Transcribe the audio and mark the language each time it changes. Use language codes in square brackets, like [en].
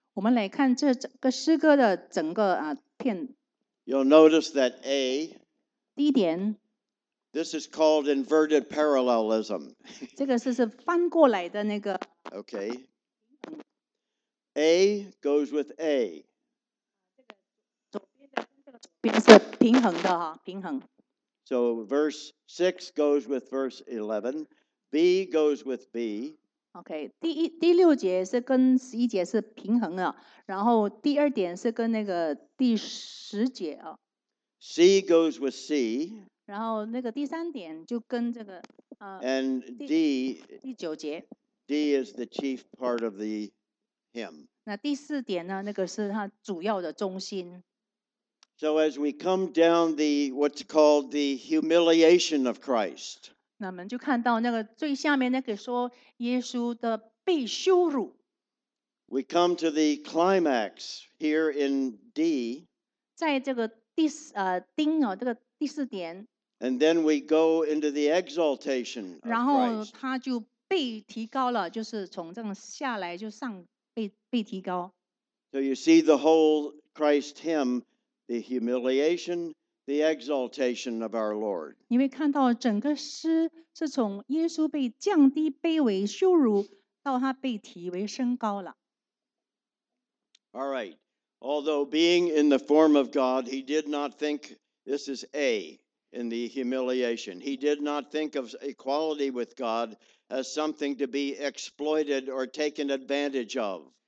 [zh] 我们来看这个诗歌的整个片。 [en] You'll notice that A. [zh] 第一点。 [en] This is called inverted parallelism. [zh] 这个是翻过来的那个。 [en] Okay. A goes with A. [zh] 这个是平衡的哈，平衡。 [en] So verse 6 goes with verse 11. B goes with B. Okay. [zh] 第六节是跟十一节是平衡的，然后第二点是跟那个第十节啊。 [en] C goes with C. [zh] 然后那个第三点就跟这个 [en] And D, [zh] 第九节 [en] D is the chief part of the hymn. [zh] 那第四点呢，那个是它主要的中心。 [en] So as we come down the what's called the humiliation of Christ. [zh] 那我们就看到那个最下面那个说耶稣的被羞辱。 [en] We come to the climax here in D. [zh] 在这个第四点, [en] and then we go into the exaltation of Christ. [zh] 然后他就被提高了, 就是从这样下来就上被提高。 [en] So you see the whole Christ hymn, the humiliation, the exaltation of our Lord. [zh] 你会看到整个诗是从耶稣被降低卑微羞辱到他被提为升高了。 [en] All right. Although being in the form of God, he did not think, this is A in the humiliation. He did not think of equality with God as something to be exploited or taken advantage of.